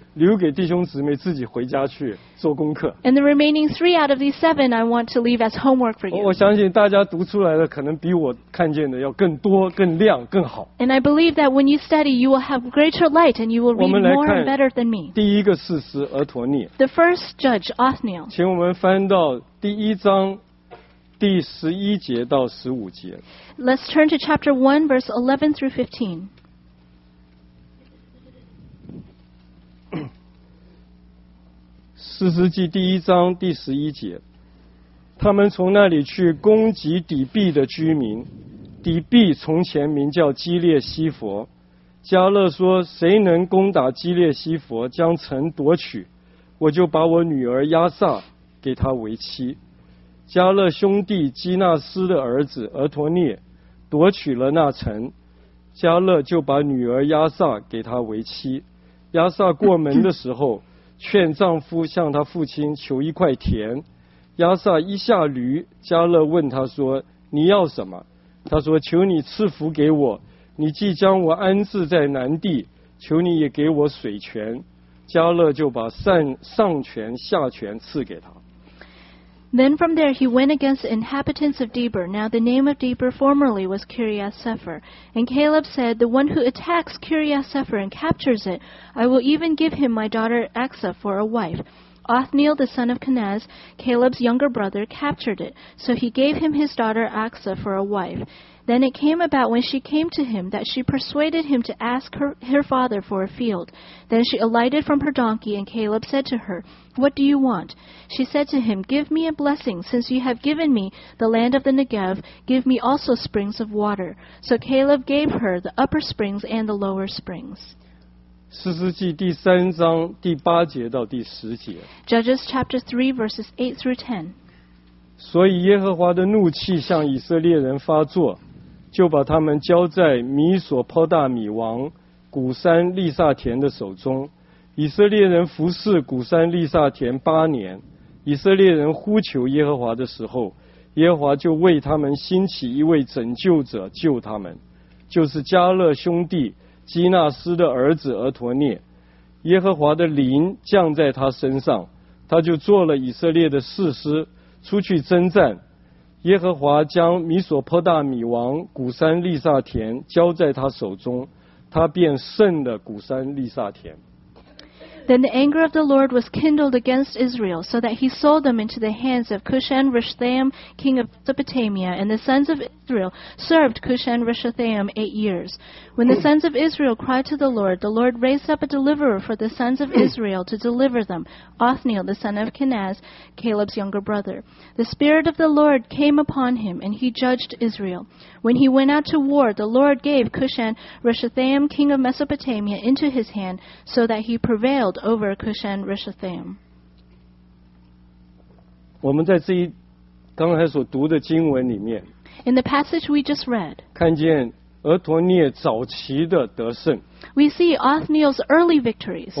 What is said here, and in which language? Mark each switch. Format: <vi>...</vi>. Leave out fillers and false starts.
<zh>留给弟兄姊妹自己回家去做功课。</zh> <en>And the remaining three out of these seven I want to leave as homework for you.</en> <zh>我相信大家读出来的可能比我看见的要更多、更亮、更好。</zh> <en>And I believe that when you study, you will have greater light and you will read more and better than me.</en> <zh>第一个士师俄陀尼。</zh> <en>The first judge, Othniel.</en> <zh>请我们翻到第一章第十一节到十五节。</zh> <en>Let's turn to chapter 1, verse 11 through 15.</en> <zh>士师记第一章第十一节，他们从那里去攻击底壁的居民。底壁从前名叫基列西佛。加勒说：“谁能攻打基列西佛，将城夺取，我就把我女儿亚萨给他为妻。” 加勒兄弟基纳斯的儿子俄陀聂夺取了那城，加勒就把女儿亚萨给他为妻。亚萨过门的时候。劝丈夫向他父亲求一块田，亚萨一下驴，加勒问他说：“你要什么？” 他说：“求你赐福给我，你既将我安置在南地，求你也给我水泉。” 加勒就把上泉下泉赐给他。</zh> <en>Then from there he went against the inhabitants of Debir. Now the name of Debir formerly was Kiriath-Sepher. And Caleb said, "The one who attacks Kiriath-Sepher and captures it, I will even give him my daughter Aksa for a wife." Othniel, the son of Kenaz, Caleb's younger brother, captured it. So he gave him his daughter Aksa for a wife. Then it came about when she came to him that she persuaded him to ask her father for a field. Then she alighted from her donkey, and Caleb said to her, "What do you want?" She said to him, "Give me a blessing. Since you have given me the land of the Negev, give me also springs of water." So Caleb gave her the upper springs and the lower springs.</en> <zh>士师记第三章第八节到第十节。</zh> <en>Judges chapter 3 verses 8 through 10.</en> <zh>所以耶和华的怒气向以色列人发作。就把他们交在米索波大米王古山利萨田的手中。以色列人服侍古山利萨田八年。以色列人呼求耶和华的时候，耶和华就为他们兴起一位拯救者救他们，就是加勒兄弟基纳斯的儿子俄陀聂。耶和华的灵降在他身上，他就做了以色列的士师，出去征战。耶和华将米索波大米王古山利萨田交在他手中，他便胜了古山利萨田。</zh> <en>Then the anger of the Lord was kindled against Israel, so that he sold them into the hands of Cushan-Rishathaim, king of Mesopotamia, and the sons of Israel served Cushan-Rishathaim 8 years. When the sons of Israel cried to the Lord raised up a deliverer for the sons of Israel to deliver them, Othniel, the son of Kenaz, Caleb's younger brother. The Spirit of the Lord came upon him, and he judged Israel. When he went out to war, the Lord gave Cushan-Rishathaim, king of Mesopotamia, into his hand, so that he prevailed. Over Cushan-Rishathaim.</en> <zh>我们在这一刚才所读的经文里面</zh> <en>，In the passage we just read，</en> <zh>看见俄陀聂早期的得胜</zh> <en>，We see Othniel's early victories.</en>